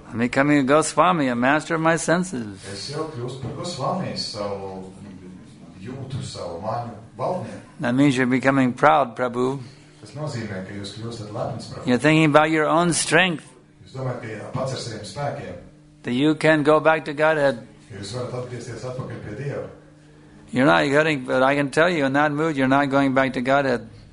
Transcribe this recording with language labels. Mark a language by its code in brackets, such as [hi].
[en] I'm becoming a Goswami, a master of my senses. [lv] Es jau kļūstu par Goswami, savu jūtu, savu maņu valdnieku. [en] That means you're becoming proud, Prabhu. [lv] Tas nozīmē, ka jūs kļūstat lepns, Prabhu. [en] You're thinking about your own strength. [lv] Jūs domājat, ka pats ar saviem spēkiem. [en] That you can go back to Godhead. [lv] Jūs varat atgriezties atpakaļ pie Dieva. [en] You're not getting, but I can tell you in that mood, you're not going back to Godhead.